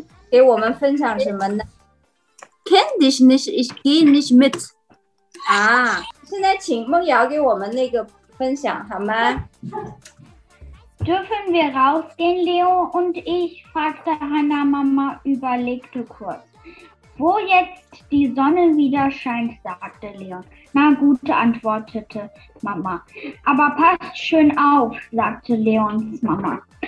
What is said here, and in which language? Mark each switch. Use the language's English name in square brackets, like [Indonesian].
[Chinese] 给我们分享什么呢 ？ [English] Kindness is kindness meat。 [Chinese] 啊，现在请梦瑶给我们那个分享好吗 [German] ？Dürfen wir rausgehen, Leo und ich? Fragte Hannah Mama überlegt kurz. Wo jetzt die Sonne wieder scheint, sagte Leon. Na gut, antwortete Mama. Aber passt schön auf, sagte Leons Mama.